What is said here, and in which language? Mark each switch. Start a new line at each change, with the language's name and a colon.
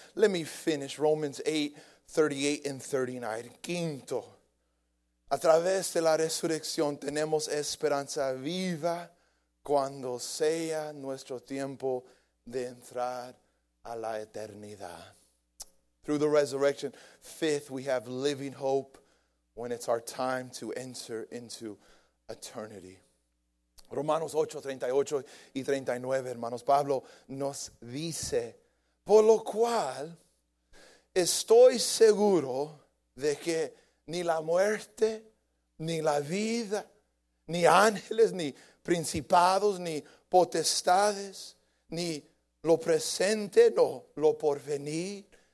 English: Let me finish Romans 8:38-39.
Spanish: Quinto, a través de la resurrección tenemos esperanza viva cuando sea nuestro tiempo de entrar a la eternidad.
English: Through the resurrection, fifth, we have living hope when it's our time to enter into eternity.
Spanish: Romanos 8:38-39, hermanos, Pablo nos dice, por lo cual estoy seguro de que ni la muerte, ni la vida, ni ángeles, ni principados, ni potestades, ni lo presente, no, lo porvenir,